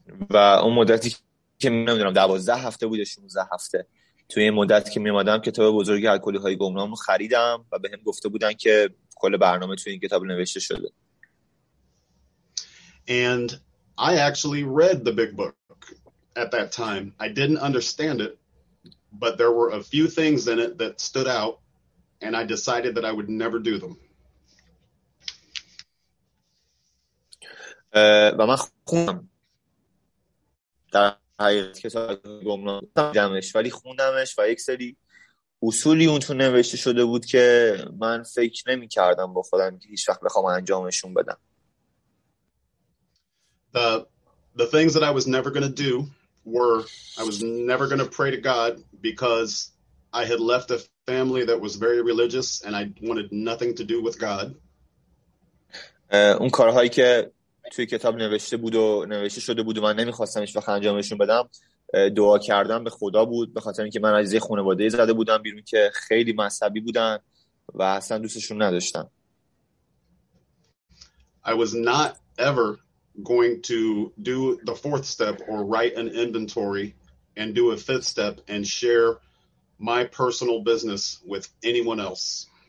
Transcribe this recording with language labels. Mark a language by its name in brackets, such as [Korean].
[Persian] و اون مدتی که نمیدونم 12 هفته بود یا 16 هفته، توی این مدت که میمادم کتاب بزرگی الکلی های گمنام رو خریدم و به هم گفته بودن که کل برنامه توی این کتاب نوشته شده. [English] And I actually read the big book. At that time, I didn't understand it, but there were a few things in it that stood out, and I decided that I would never do them. [Persian] و من خوندم در حقیقت کتاب گمنامش، ولی خوندمش و یک سری اصولی اون تو نوشته شده بود که من فکر نمی کردم با خودم که هیچ وقت بخوام انجامشون بدم. [English] The things that I was never going to do were I was never going to pray to God because I had left a family that was very religious and I wanted nothing to do with God. [Persian] اون کارهایی که توی کتاب نوشته بود و نوشته شده بود و من نمیخواستم هیچ وقت انجامشون بدم، دعا کردم به خدا بود، به خاطر اینکه من از خانواده زده بودم بیرون که خیلی مذهبی بودن و اصلا دوستشون نداشتم. [English] I was not ever going to do the fourth step or write an inventory and do a fifth step and share my personal business with anyone else.